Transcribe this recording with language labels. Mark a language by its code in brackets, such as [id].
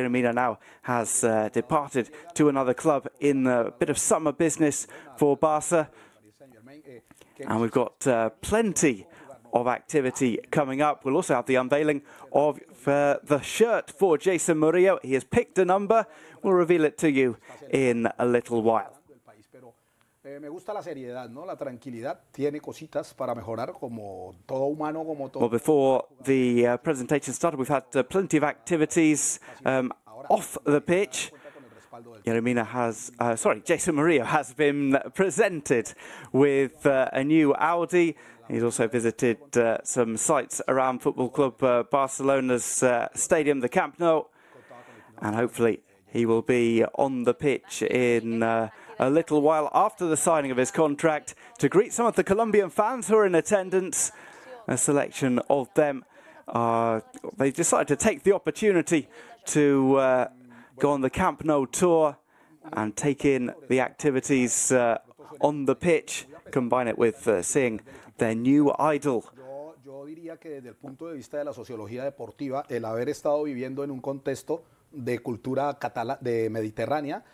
[en] Yerry Mina now has departed to another club in a bit of summer business for Barca. And we've got plenty of activity coming up. We'll also have the unveiling of the shirt for Jason Murillo. He has picked a number. We'll reveal it to you in a little while. [es] Me gusta la seriedad, ¿no? La tranquilidad tiene cositas para mejorar como todo humano, como todo. [en] Well, before the presentation started, we've had plenty of activities off the pitch. Jason Murillo has been presented with a new Audi. He's also visited some sites around Football Club Barcelona's stadium, the Camp Nou. And hopefully he will be on the pitch in a little while after the signing of his contract to greet some of the Colombian fans who are in attendance. A selection of them. They decided to take the opportunity to go on the Camp Nou tour and take in the activities on the pitch, combine it with seeing their new idol. [es] Yo diría que desde el punto de vista de la sociología deportiva, el haber estado viviendo en un contexto de cultura catalana, de mediterránea.